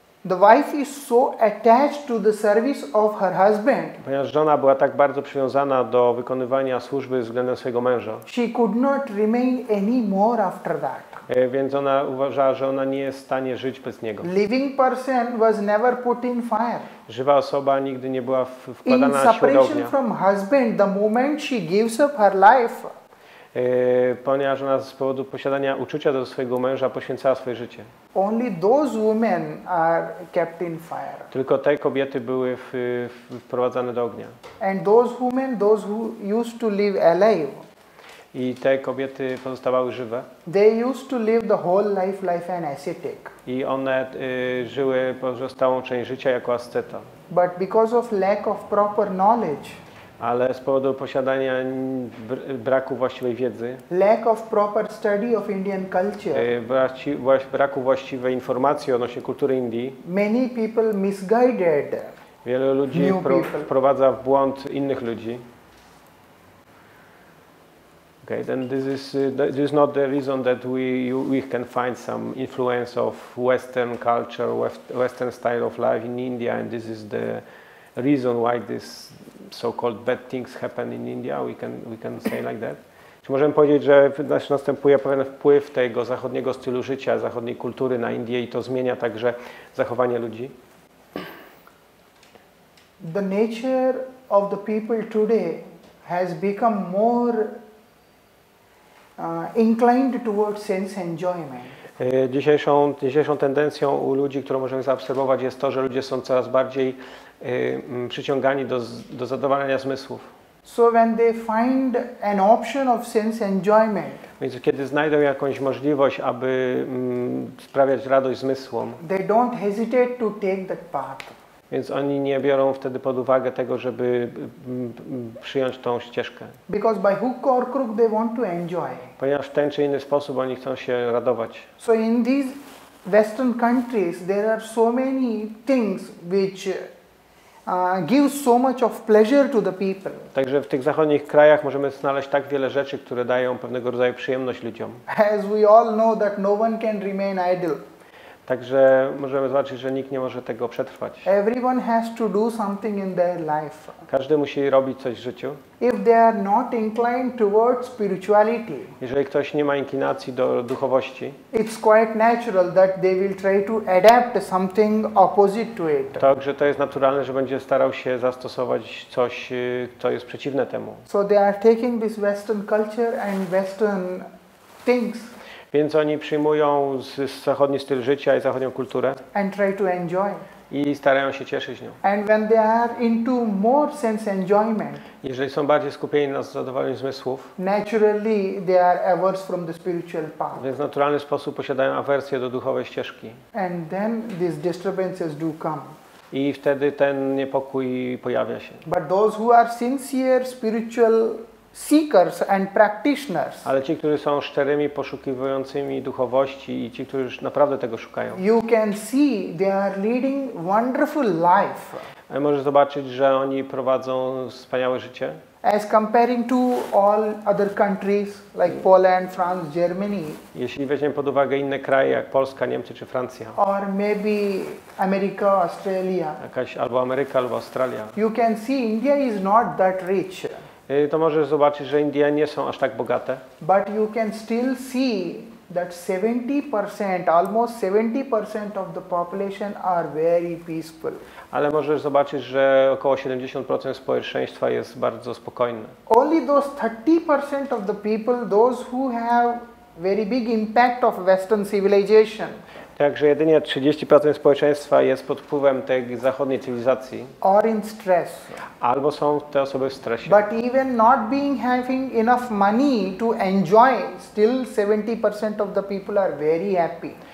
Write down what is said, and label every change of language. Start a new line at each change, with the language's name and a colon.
English: The wife is so attached to the service of her husband.
Polish: Ponieważ żona była tak bardzo przywiązana do wykonywania służby względem swojego męża.
English: She could not remain any more after that.
Polish: Więc ona uważała, że ona nie jest w stanie żyć bez niego.
English: Living person was never put in fire.
Polish: Żywa osoba nigdy nie była wkładana na siłę do ognia.
English: From husband, the moment she gives up her life.
Polish: Ponieważ ona z powodu posiadania uczucia do swojego męża poświęcała swoje życie.
English: Only those women are kept in fire.
Polish: Tylko te kobiety były wprowadzane do ognia.
English: And those women, those who used to live alive.
Polish: I te kobiety pozostawały żywe.
English: They used to live the whole life like an ascetic.
Polish: I one żyły pozostałą część życia jako asceta.
English: But because of lack of proper knowledge.
Polish: Ale z powodu posiadania braku właściwej wiedzy.
English: Lack of proper study of Indian culture.
Polish: Braku właściwej informacji odnośnie kultury Indii.
English: Many people misguided.
Polish: Wielu ludzi wprowadza w błąd innych ludzi.
English: Okay, then this is not the reason that we can find some influence of Western culture, Western style of life in India, and this is the reason why this so-called bad things happen in India. We can say like that.
Polish: Czy możemy powiedzieć, że następuje pewien wpływ tego zachodniego stylu życia, zachodniej kultury na Indię i to zmienia także zachowanie ludzi?
English: The nature of the people today has become more inclined towards sense enjoyment.
Polish: Dzisiejszą tendencją u ludzi, którą możemy zaobserwować, jest to, że ludzie są coraz bardziej przyciągani do zadowalania zmysłów.
English: So when they find an option of sense enjoyment.
Polish: Więc kiedy znajdą jakąś możliwość, aby sprawiać radość zmysłom.
English: They don't hesitate to take that path.
Polish: Więc oni nie biorą wtedy pod uwagę tego, żeby przyjąć tą ścieżkę.
English: Because by hook or crook they want to enjoy.
Polish: Ponieważ w ten czy inny sposób oni chcą się radować.
English: So in these western countries there are so many things which give so much of pleasure to the people.
Polish: Także w tych zachodnich krajach możemy znaleźć tak wiele rzeczy, które dają pewnego rodzaju przyjemność ludziom.
English: As we all know that no one can remain idle.
Polish: Także możemy zobaczyć, że nikt nie może tego przetrwać.
English: Everyone has to do something in their life.
Polish: Każdy musi robić coś w życiu.
English: If they are not inclined towards spirituality.
Polish: Jeżeli ktoś nie ma inklinacji do duchowości.
English: It's quite natural that they will try to adapt something opposite to it.
Polish: Także to jest naturalne, że będzie starał się zastosować coś, co jest przeciwne temu.
English: So they are taking this western culture and western things.
Polish: Więc oni przyjmują zachodni styl życia i zachodnią kulturę
English: and try to enjoy.
Polish: i starają się cieszyć nią.
English: And when they are into more sense enjoyment.
Polish: Jeżeli są bardziej skupieni na zadowoleniu zmysłów.
English: Naturally they are averse from the spiritual path.
Polish: Więc w naturalny sposób posiadają awersję do duchowej ścieżki.
English: And then these disturbances do come.
Polish: I wtedy ten niepokój pojawia się.
English: But those who are sincere spiritual seekers and practitioners.
Polish: Ale ci, którzy są szczerymi poszukującymi duchowości i ci, którzy naprawdę tego szukają.
English: You can see they are leading wonderful life.
Polish: A możesz zobaczyć, że oni prowadzą wspaniałe życie.
English: As comparing to all other countries like Poland, France, Germany.
Polish: Jeśli weźmiemy pod uwagę inne kraje jak Polska, Niemcy czy Francja.
English: Or maybe America, Australia.
Polish: Jakaś albo Ameryka, albo Australia.
English: You can see India is not that rich.
Polish: To możesz zobaczyć, że Indie nie są aż tak bogate.
English: But you can still see that 70%, almost 70% of the population are very peaceful.
Polish: Ale możesz zobaczyć, że około 70% społeczeństwa jest bardzo spokojne.
English: Only those 30% of the people, those who have very big impact of Western civilization.
Polish: Także jedynie 30% społeczeństwa jest pod wpływem tej zachodniej cywilizacji.
English: Or in stress.
Polish: Albo są te osoby w stresie.
English: But even not being having enough money to enjoy, still 70% of the people are very happy.